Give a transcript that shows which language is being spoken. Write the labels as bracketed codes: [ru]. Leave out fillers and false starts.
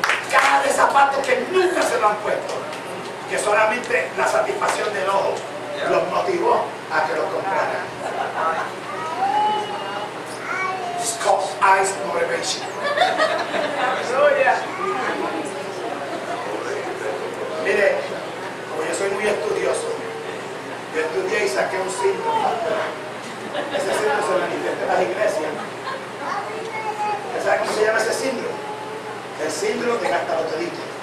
[es] Caja de zapatos que nunca se lo han puesto, que solamente la satisfacción del ojo los motivó a que lo compraran. [en] It's called eyes motivation. [es] Mire, yo soy muy estudioso. Yo estudié y saqué un signo. Ese signo se manifiesta en las iglesias. ¿Sabes cómo se llama ese signo? El signo de gastabotodito.